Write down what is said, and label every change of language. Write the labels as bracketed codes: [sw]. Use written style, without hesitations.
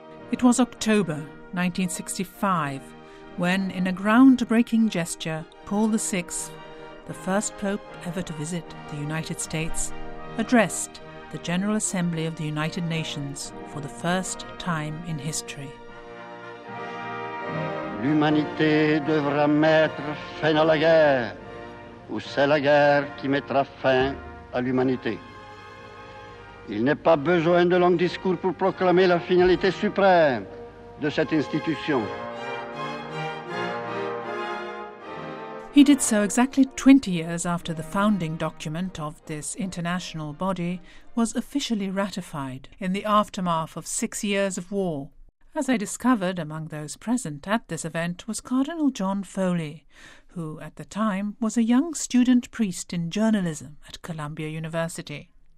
[en] It was October 1965 when, in a groundbreaking gesture, Paul VI, the first pope ever to visit the United States, addressed the General Assembly of the United Nations for the first time in history. [fr] L'humanité devra mettre fin à la guerre, ou c'est la guerre qui mettra fin à l'humanité. Il n'est pas besoin de longs discours pour proclamer la finalité suprême de cette institution. [en] He did so exactly 20 years after the founding document of this international body was officially ratified, in the aftermath of 6 years of war. As I discovered among those present at this event was Cardinal John Foley, who at the time was a young student priest in journalism at Columbia University.